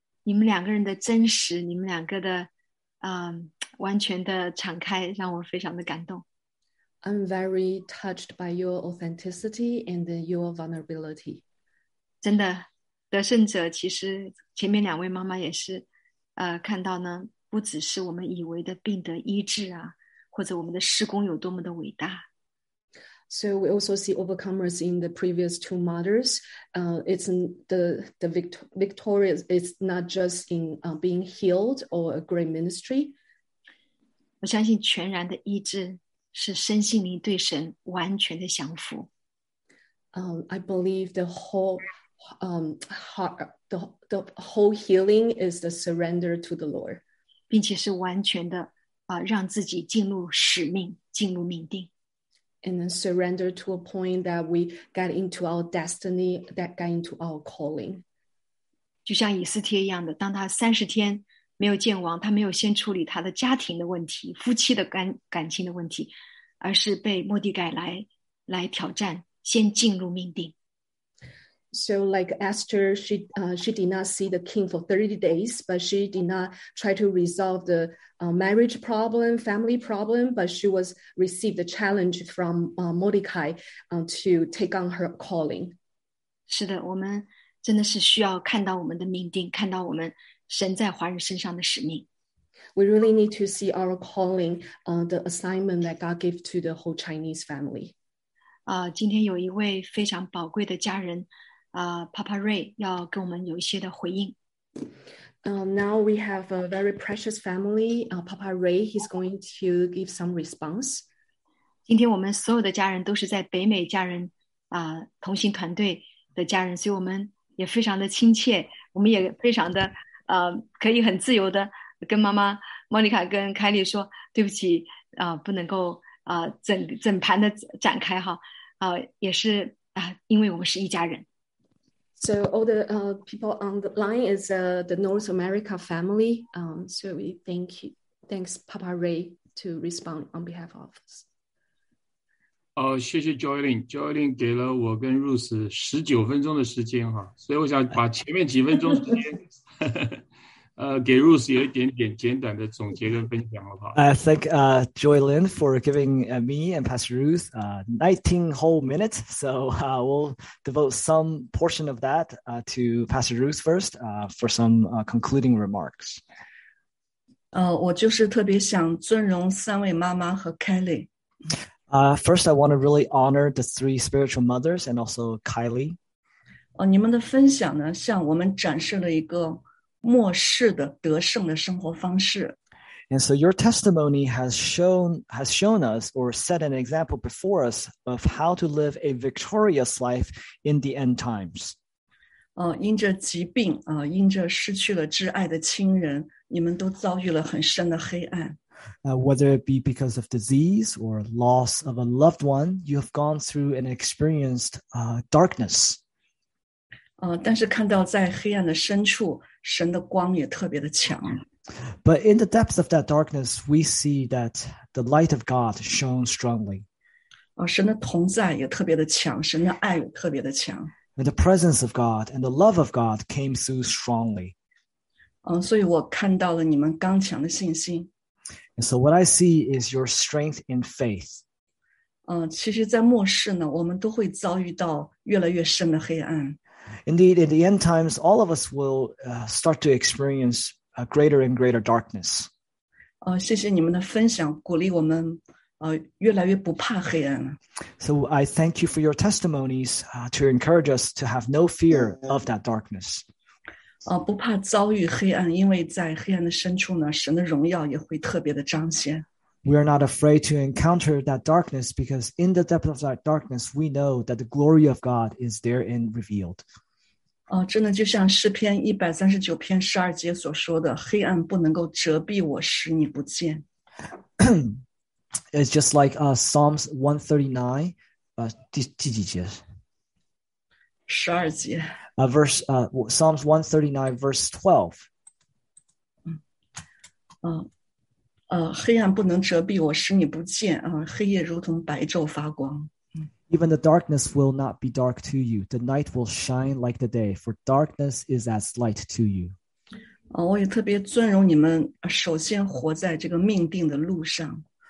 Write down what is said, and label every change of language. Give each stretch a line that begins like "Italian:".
Chinese: 你们两个人的真实，你们两个的 完全的敞开， 让我非常的感动。
English: I'm very touched by your authenticity and your vulnerability.
Chinese: 真的， 得胜者其实前面两位妈妈也是 看到呢， 不只是我们以为的病得医治啊， 或者我们的施工有多么的伟大。
English: So we also see overcomers in the previous two martyrs. It's the victorious. It's not just in being healed or a great ministry.
Chinese: 我相信全然的医治是身心灵对神完全的降服。
English: I believe the whole whole healing is the surrender to the Lord.
Chinese: 并且是完全的让自己进入使命，进入命定。
English: And then surrender to a point that we got into our destiny, that got into our calling.
Chinese: 就像以斯帖一样的，当他三十天没有见王，他没有先处理他的家庭的问题，夫妻的感情的问题，而是被莫迪改来挑战，先进入命定。
English: So like Esther, she did not see the king for 30 days, but she did not try to resolve the marriage problem, family problem, but she was received the challenge from Mordecai to take on her calling.
Chinese: 是的，我们真的是需要看到我们的命定，看到我们神在华人身上的使命。
English: We really need to see our calling, the assignment that God gave to the whole Chinese family.
Chinese: 今天有一位非常宝贵的家人Papa Ray 要跟我们有一些的回应。
English: Now we have a very precious family. Papa Ray, he's going to give some response.
Chinese: 今天我们所有的家人都是在北美家人同行团队的家人，所以我们也非常的亲切，我们也非常的可以很自由的跟妈妈 Monica 跟凯莉说对不起不能够整盘的展开哈也是因为我们是一家人。
English: So all the people on the line is the North America family. So we thanks Papa Ray to respond on behalf of us.
Chinese: 谢谢 Joylin 给了我跟 Ruth 19分钟的时间哈，所以我想把前面几分钟时间给 Ruth 有一点点简短的总结跟分享好不好？
English: Thank Joylin for giving me and Pastor Ruth 19 whole minutes. So we'll devote some portion of that to Pastor Ruth first for some concluding remarks.
Chinese: 我就是特别想尊荣三位妈妈和 Kelly.
English: First, I want to really honor the three spiritual mothers and also Kylie.
Chinese: 你们的分享呢，向我们展示了一个末世的得胜的生活方式。
English: And so your testimony has shown us or set an example before us of how to live a victorious life in the end times.
Chinese: 因着疾病因着失去了挚爱的亲人，你们都遭遇了很深的黑暗。
English: Whether it be because of disease or loss of a loved one, you have gone through and experienced darkness.
Chinese: 但是看到在黑暗的深处神的光也特别的强。
English: But in the depths of that darkness, we see that the light of God shone strongly.
Chinese: 神的同在也特别的强，神的爱也特别的强。
English: And the presence of God and the love of God came through strongly.
Chinese: 所以我看到了你们刚强的信心。
English: And so what I see is your strength in faith.
Chinese: 其实在末世呢，我们都会遭遇到越来越深的黑暗。
English: Indeed, in the end times, all of us will start to experience a greater and greater darkness.
Chinese: 谢谢你们的分享，鼓励我们越来越不怕黑暗。
English: So I thank you for your testimonies to encourage us to have no fear of that darkness.
Chinese: 不怕遭遇黑暗，因为在黑暗的深处呢，神的荣耀也会特别的彰显。
English: We are not afraid to encounter that darkness because in the depth of that darkness, we know that the glory of God is therein revealed.
Chinese: 真的就像诗篇139篇12节所说的，黑暗不能够遮蔽我，使你不见。
English: It's just like Psalms 139,
Chinese: 第几节？十二节。
English: Psalms 139, verse 12.
Chinese: 黑暗不能遮蔽我，使你不见。黑夜如同白昼发光。
English: Even the darkness will not be dark to you. The night will shine like the day, for darkness is as light to you.
Chinese: 我也特别尊荣你们，首先活在这个命定的路上。